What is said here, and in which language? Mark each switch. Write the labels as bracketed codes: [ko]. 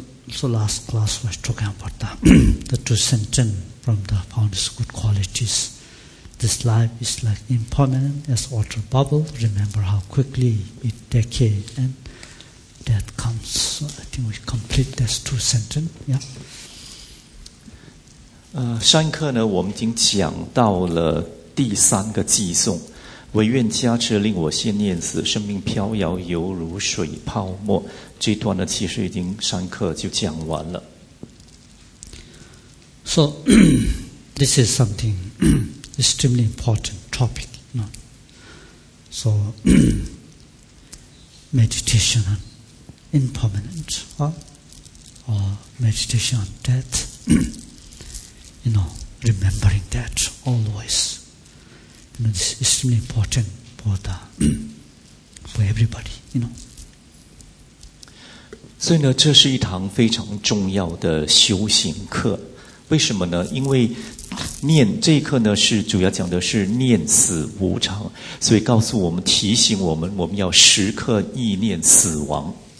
[en] So last class was talking about the two sentences from the founder's good qualities. This life is like impermanent as water bubble. Remember how quickly it decays and death comes. So I think we complete this two sentence. Yeah. [zh] 上一课呢，我们已经讲到了第三个偈颂，唯愿加持令我现念死，生命飘摇犹如水泡沫。这段呢，其实已经上一课就讲完了。 [en] So this is something. extremely important topic, you know. So meditation on impermanent, or meditation on death, you know, remembering that always. It's extremely important for the for everybody, you know. [zh] 所以呢，这是一堂非常重要的修行课。为什么呢？因为念这一课呢，是主要讲的是念死无常，所以告诉我们，提醒我们，我们要时刻意念死亡。